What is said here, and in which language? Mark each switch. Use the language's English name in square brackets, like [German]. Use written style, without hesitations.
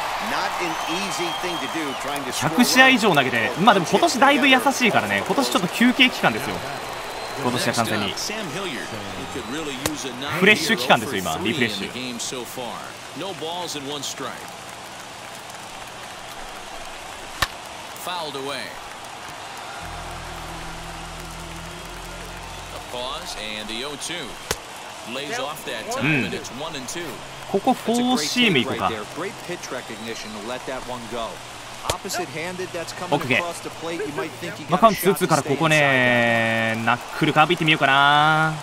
[English] Not an easy thing to do trying to score. [Japanese] 100試合以上投げて、まあでも今年だいぶ優しいからね。今年ちょっと休憩期間ですよ。今年は完全に。フレッシュ期間ですよ、今、リフレッシュ。 [English] No balls and one strike. Fouled away. A pause and the 0-2 lays off that time, and it's 1-2. [Japanese] ここフォーシーム行こうか。 [English] Great pitch recognition to let that one go. Opposite handed, that's coming across the plate. You might think he got shot. [Japanese] からここね、ナックルカーブ行ってみようかな。